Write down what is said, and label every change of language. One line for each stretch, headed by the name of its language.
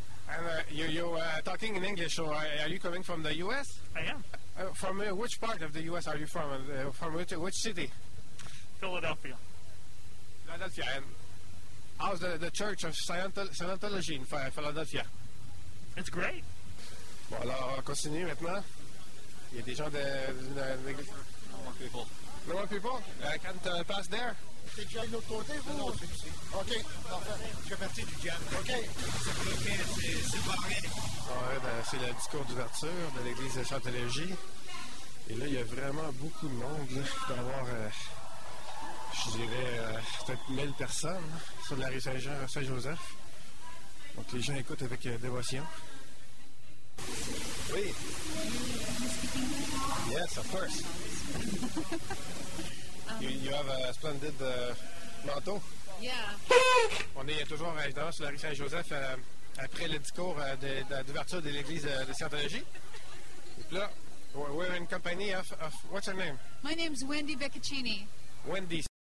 English: And you're talking in English, so are you coming from the U.S.? I am. From which part of the U.S. are you from? From which city? Philadelphia. Philadelphia. And how's the Church of Scientology in Philadelphia? It's great.
French: Bon, alors, continue maintenant. Il y a des gens de l'église.
English: I want people. Hello, people. Can I pass there?
French: T'es déjà de l'autre côté, vous? Non, c'est ici. OK, parfait. Je fais partie du jam. OK. C'est bloqué, c'est barré. Ouais, ben, c'est le discours d'ouverture de l'église de Scientologie. Et là, il y a vraiment beaucoup de monde. Il peut y avoir, je dirais, peut-être 1000 personnes sur la rue Saint-Joseph. Donc, les gens écoutent avec dévotion. Oui.
English: Yes, of course. You have a splendid manteau. Yeah.
French: On est toujours dans sur la rue Saint-Joseph après le discours d'ouverture de l'église de Scientologie. Et là,
English: we're in company of what's your name? My name's Wendy Beccaccini. Wendy.